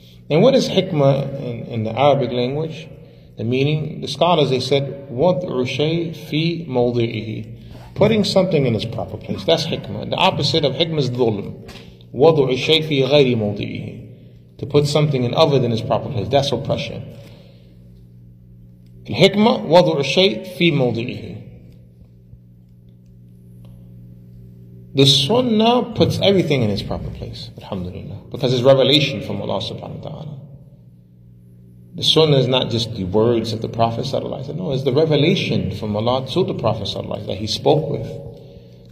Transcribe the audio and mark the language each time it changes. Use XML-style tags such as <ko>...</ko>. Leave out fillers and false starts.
<en>And what is hikmah in the Arabic language? The meaning, the scholars, they said,</en> <ar>وَضْعُ شَيْءٍ فِي مَوْضِعِهِ.</ar> <en>Putting something in its proper place. That's hikmah. The opposite of hikmah is dhulm.</en> <ar>وضع الشيء في غير موضعه.</ar> <en>To put something in other than its proper place. That's oppression.</en> <ar>الحكمة وضع الشيء في موضعه.</ar> <en>The sunnah puts everything in its proper place. Alhamdulillah. Because it's revelation from Allah subhanahu wa ta'ala. The sunnah is not just the words of the Prophet sallallahu alayhi wa sallam. No, it's the revelation from Allah to the Prophet sallallahu alayhi wa sallam that he spoke with.</en>